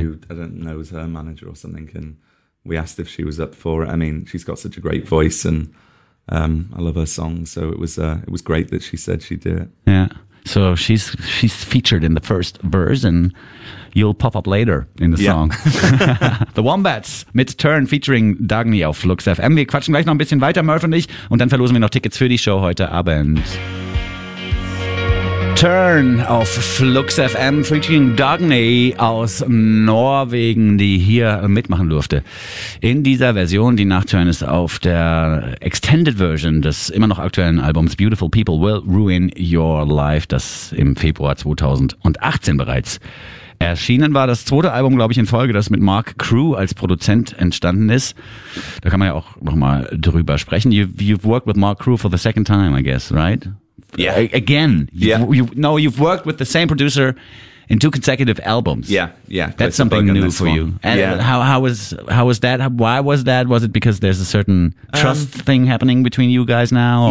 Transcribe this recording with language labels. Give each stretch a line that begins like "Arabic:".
English: I don't know, it was her manager or something, and we asked if she was up for it. I mean, she's got such a great voice, and I love her song, so it was great that she said she'd do it. Yeah, so she's featured in the first verse, and you'll pop up later in the song.
German: The Wombats mit Turn featuring Dagny auf Lux FM. Wir quatschen gleich noch ein bisschen weiter, Murph und ich, und dann verlosen wir noch Tickets für die Show heute Abend. Turn auf Flux FM featuring Dagny aus Norwegen, die hier mitmachen durfte. In dieser Version, die Nachturn ist auf der Extended Version des immer noch aktuellen Albums Beautiful People Will Ruin Your Life, das im Februar 2018 bereits erschienen war. Das zweite Album, glaube ich, in Folge, das mit Mark Crew als Produzent entstanden ist. Da kann man ja auch nochmal drüber sprechen.
English: You've worked with Mark Crew for the second time, I guess, right? Yeah. Again. You've worked with the same producer in two consecutive albums. Yeah, yeah. That's something new for you. And how was that? Why was that? Was it because there's a certain trust thing happening between you guys now?